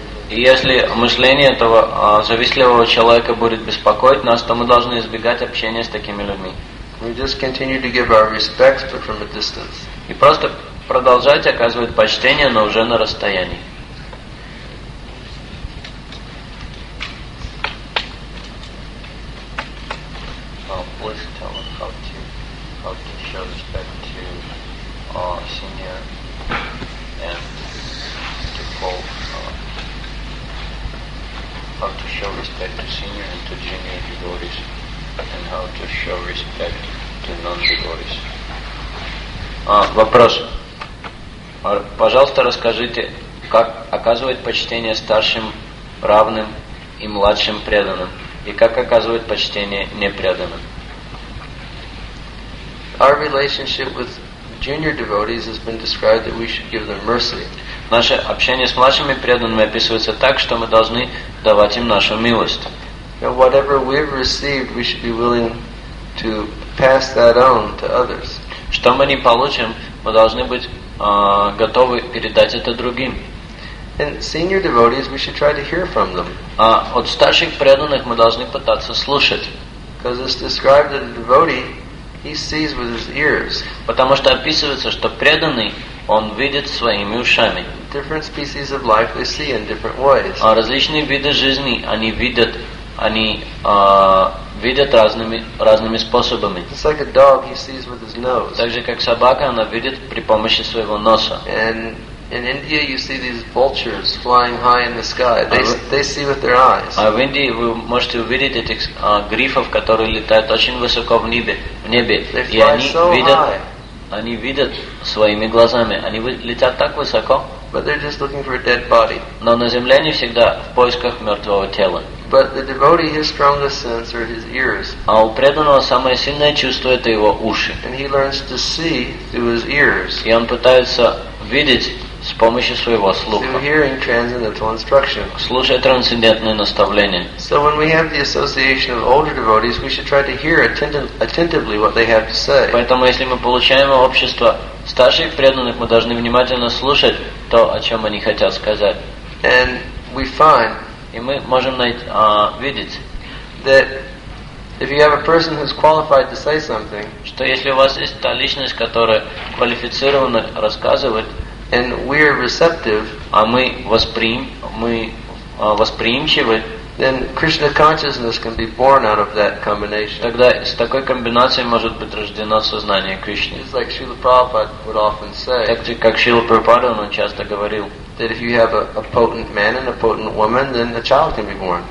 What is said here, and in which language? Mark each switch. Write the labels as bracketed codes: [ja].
[ru] Если мышление этого завистливого человека будет беспокоить нас, то мы должны избегать общения с такими людьми. [en] We just continue to give our respects, but from a distance. [ru] И просто продолжать оказывать почтение, но уже на расстоянии. [en] Please tell us how to show respect to our senior and to how to show respect to senior and to junior devotees and how to show respect to non-devotees. [ru] Вопрос. Пожалуйста, расскажите, как оказывать почтение старшим, равным и младшим преданным, и как оказывать почтение непреданным. [en] Our relationship with junior devotees has been described that we should give them mercy. [ru] Наше общение с младшими преданными описывается так, что мы должны давать им нашу милость. [en] And whatever we've received, we should be willing to pass that on to others. [ru] Что мы не получим, мы должны быть готовы передать это другим. [en] And senior devotees, we should try to hear from them. [ru] А от старших преданных мы должны пытаться слушать. [en] Because it's described that a devotee, he sees with his ears. [ru] Потому что описывается, что преданный, он видит своими ушами. [en] Different species of life they see in different ways. [ru] А различные виды жизни они видят разными способами. [en] It's like a dog, he sees with his nose. [ru] Так же, как собака, она видит при помощи своего носа. [en] And in India you see these vultures flying high in the sky. They see with their eyes. [ru] А в Индии вы можете увидеть этих грифов, которые летают очень высоко в небе. [en] They fly [ru] и они видят своими глазами. Они летят так высоко. [en] But they're just looking for a dead body. [ru] Но на земле они всегда в поисках мертвого тела. [en] But the devotee, his strongest sense are his ears. [ru] А у преданного самое сильное чувство это его уши. [en] And he learns to see through his ears. [ru] И он пытается видеть с помощью своего слуха. [en] Through hearing transcendental instruction. [ru] Слушая трансцендентное наставление. [en] So when we have the association of older devotees, we should try to hear attentively what they have to say. [ru] Поэтому если мы получаем общество старших преданных, мы должны внимательно слушать то, о чем они хотят сказать. [en] And we find. [ru] И мы можем видеть, [en] that if you have a person who's qualified to say something, [ru] что если у вас есть та личность, которая квалифицирована рассказывать, [en] and we are receptive, [ru] а мы восприимчивы, [en] then Krishna consciousness can be born out of that combination. [ru] Тогда с такой комбинацией может быть рождено сознание Кришны. [en] It's like Srila Prabhupada would often say, [ru] как Шрила Прабхупада он часто говорил, [en] that if you have a potent man and a potent woman, then a child can be born.